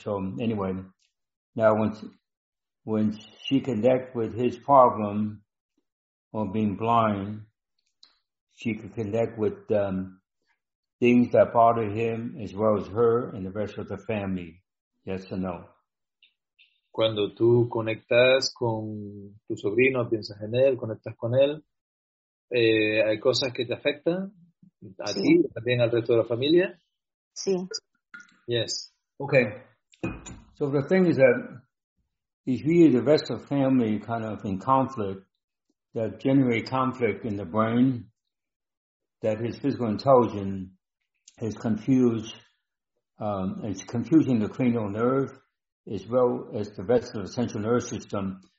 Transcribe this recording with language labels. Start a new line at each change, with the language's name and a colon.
English: So anyway, now when she connect with his problem of being blind, she could connect with things that bother him as well as her and the rest of the family. Yes or no?
Spanish: Cuando tú conectas con tu sobrino, piensas en él, conectas con él, hay cosas que te afectan a ti, también al resto de la familia. Sí.
English: Yes. Okay. So the thing is that it's really the rest of family kind of in conflict that generate conflict in the brain that his physical intelligence is confused. It's confusing the cranial nerve as well as the rest of the central nervous system.